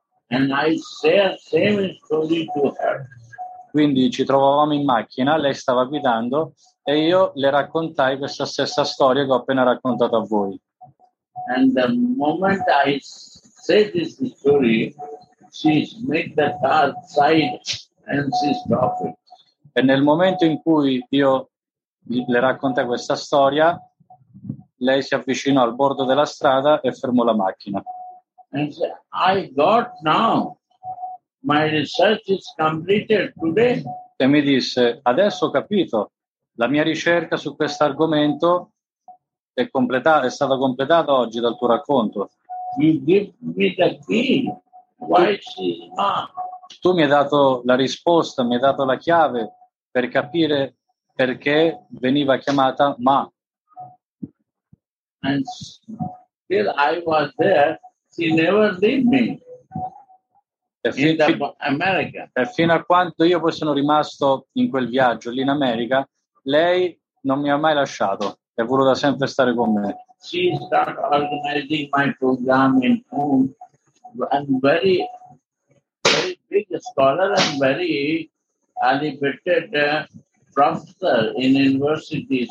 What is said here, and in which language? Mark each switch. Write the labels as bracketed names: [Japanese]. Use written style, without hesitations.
[English] And I say the same story to her. [Italian] Quindi ci trovavamo in macchina, lei stava guidando e io le raccontai questa stessa storia che ho appena raccontato a voi. [English] And the moment I say this story, she made the car side and she stopped it. [Italian] E nel momento in cui io le raccontai questa storia, lei si avvicinò al bordo della strada e fermò la macchina. [English] And said, I got now. My research is completed today. [Italian] E mi disse, adesso ho capito, la mia ricerca su questo argomento è stata completata oggi dal tuo racconto. [English] You give me the key. Why she is ma? [Italian] Tu mi hai dato la risposta, mi hai dato la chiave per capire perché veniva chiamata ma. [English] And still I was there, she never leave me. [Italian] E fino a quando io poi sono rimasto in quel viaggio lì in America, lei non mi ha mai lasciato, è voluta sempre stare con me. [English] She started organizing my program in Pune, and very, very big scholar and very elevated professor in university.